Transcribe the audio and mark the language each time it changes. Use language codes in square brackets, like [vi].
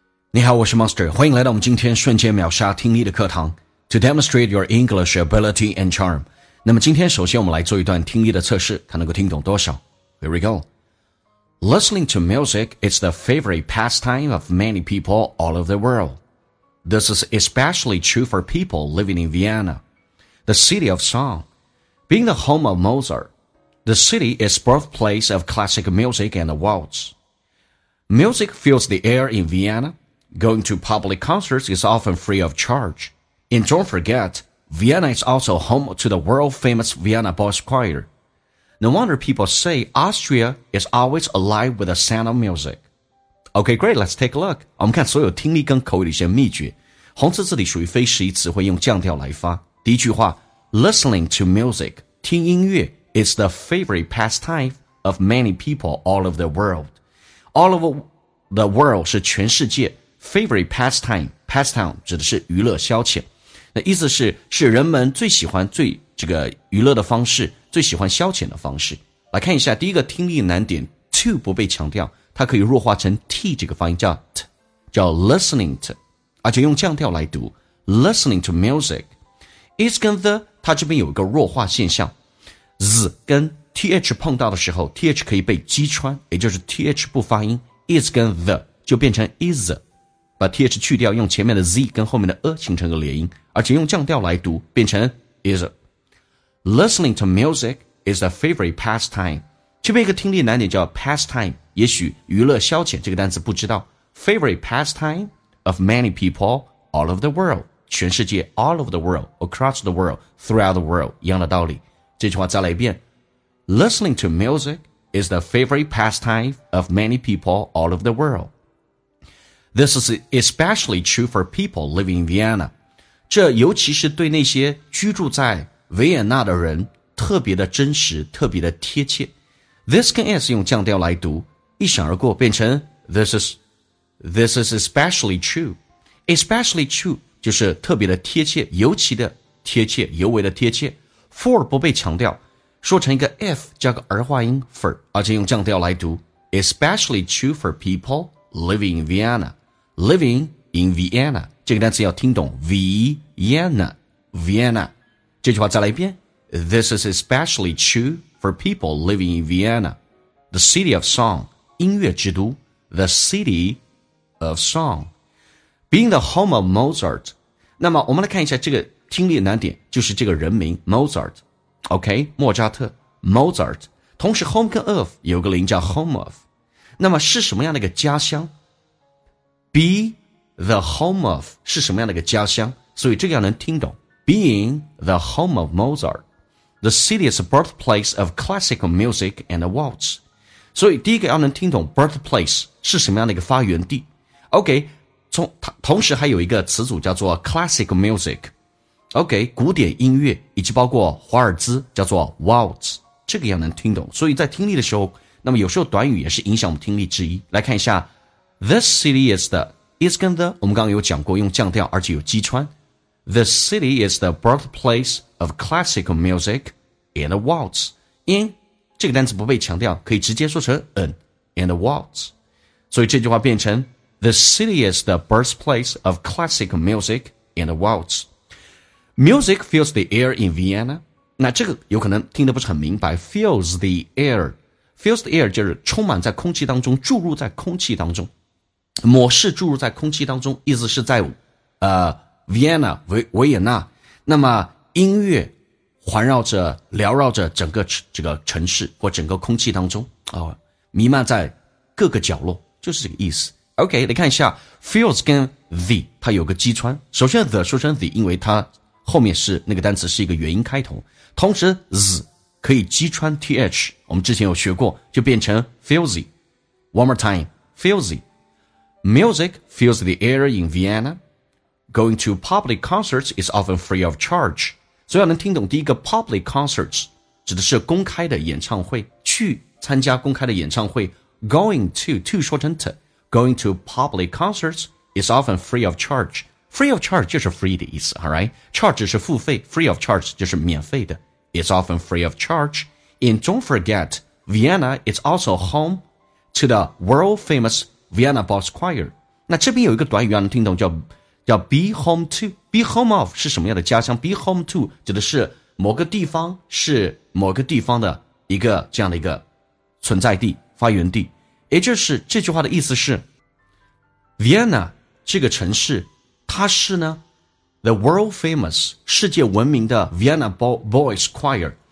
[zh] 你好，我是 Monster， 欢迎来到我们今天瞬间秒杀听力的课堂。 [en] To demonstrate your English ability and charm， [zh] 那么今天首先我们来做一段听力的测试，看能够听懂多少。 [en] Here we go. Listening to music is the favorite pastime of many people all over the world. This is especially true for people living in Vienna, the city of song. Being the home of Mozart, the city is birthplace of classic music and the waltz. Music fills the air in Vienna. Going to public concerts is often free of charge. And don't forget, Vienna is also home to the world-famous Vienna Boys Choir. No wonder people say Austria is always alive with the sound of music. Okay, great, let's take a look. [zh] 我们看所有听力跟口语的一些秘诀。红字字体属于非实义词汇，用降调来发。第一句话 [en] ,listening to music, [zh] 听音乐 [en] is the favorite pastime of many people all over the world. All over the world [zh] 是全世界。 Favorite pastime, pastime 指的是娱乐消遣，那意思是人们最喜欢最这个娱乐的方式，最喜欢消遣的方式。来看一下第一个听力难点 to 不被强调，它可以弱化成 t 这个发音叫 t， 叫 listening to， 而且用降调来读 listening to music。 is 跟 the 它这边有一个弱化现象 ，z 跟 th 碰到的时候 ，th 可以被击穿，也就是 th 不发音 ，is 跟 the 就变成 is。把 th 去掉，用前面的 z 跟后面的 a 形成个连音，而且用降调来读，变成 is a. [en] Listening to music is a favorite pastime. [zh] 这边一个听力难点叫 pastime， 也许娱乐消遣这个单词不知道。 [en] Favorite pastime of many people all over the world， [zh] 全世界 [en] all over the world， across the world， throughout the world， [zh] 一样的道理。这句话再来一遍。 [en] Listening to music is the favorite pastime of many people all over the world. This is especially true for people living in Vienna. [zh] 这尤其是对那些居住在维也纳的人特别的真实，特别的贴切。 [en] This can s [zh] 用降调来读，一闪而过变成 [en] This is especially true. [zh] Especially true 就是特别的贴切，尤其的贴切，尤为的贴切。 For 不被强调，说成一个 F 加个儿化音 for， 而且用降调来读 [en] Especially true for peopleLiving in Vienna, [zh] living in Vienna. 这个单词要听懂 Vienna, Vienna. 这句话再来一遍。 [en] This is especially true for people living in Vienna, the city of song, [zh] 音乐之都 [en] the city of song, being the home of Mozart. [zh] 那么我们来看一下这个听力难点，就是这个人名 Mozart. OK, 莫扎特 Mozart. 同时 home 跟 of 有个零叫 home of. 那么是什么样的一个家乡 ?Be the home of 是什么样的一个家乡，所以这个要能听懂。 [en] Being the home of Mozart,the city is the birthplace of classical music and the waltz. [zh] 所以第一个要能听懂 birthplace 是什么样的一个发源地。 OK, 同时还有一个词组叫做 classical music。 OK, 古典音乐以及包括华尔兹叫做 waltz, 这个要能听懂。所以在听力的时候那么有时候短语也是影响我们听力之一。来看一下 ,this city is the, is 跟 the, 我们刚刚有讲过用降调而且有击穿。 [en] The city is the birthplace of classical music and the waltz. [zh] In, 这个单词不被强调可以直接说成 an, and the waltz. 所以这句话变成 [en] ,the city is the birthplace of classical music and the waltz. Music fills the air in Vienna. [zh] 那这个有可能听得不是很明白 ,fills the air. [en] Fills the air [zh] 就是充满在空气当中，注入在空气当中，抹拭注入在空气当中，意思是在Vienna 维也纳，那么音乐环绕着缭绕着整个这个城市或整个空气当中啊、哦，弥漫在各个角落，就是这个意思。 OK， 你看一下 fills 跟 the 它有个击穿，首先 the 说成 the， 因为它后面是那个单词是一个元音开头，同时 z。可以击穿 th， 我们之前有学过，就变成 filthy。 [en] One more time, filthy. Music fills the air in Vienna. Going to public concerts is often free of charge. [zh] 所以要能听懂第一个 public concerts 指的是公开的演唱会，去参加公开的演唱会。 [en] Going to [zh] 说成 [en] to， going to public concerts is often free of charge. Free of charge 就是 free 的意思 ，all right? Charge [zh] 是付费 [en] ，free of charge [zh] 就是免费的。 [en] It's often free of charge. And don't forget, Vienna is also home to the world-famous Vienna Boys Choir. [zh] 那这边有一个短语让你听懂，叫 be home to。 be home of 是什么样的家乡？ be home to 指的是某个地方，是某个地方的一个这样的一个存在地、发源地。也就是这句话的意思是 Vienna 这个城市，它是呢 [en] the world famous [zh] 世界闻名的 Vienna Boys Choir。